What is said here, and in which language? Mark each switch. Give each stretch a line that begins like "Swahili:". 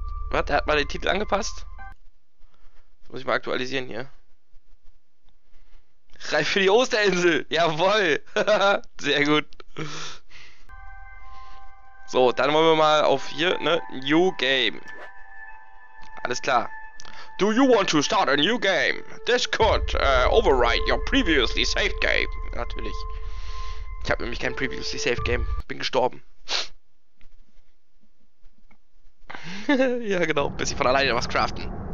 German: Warte, er hat mal den Titel angepasst. Das muss ich mal aktualisieren hier. Reif für die Osterinsel. Jawoll. Sehr gut. So, dann wollen wir mal auf hier, ne? New Game. Alles klar.
English: Do you want to start a new game? This could override your previously saved game.
German: Natürlich. Ich habe nämlich kein
English: previously saved game.
German: Bin gestorben. Ja, genau. Bis ich von alleine was craften.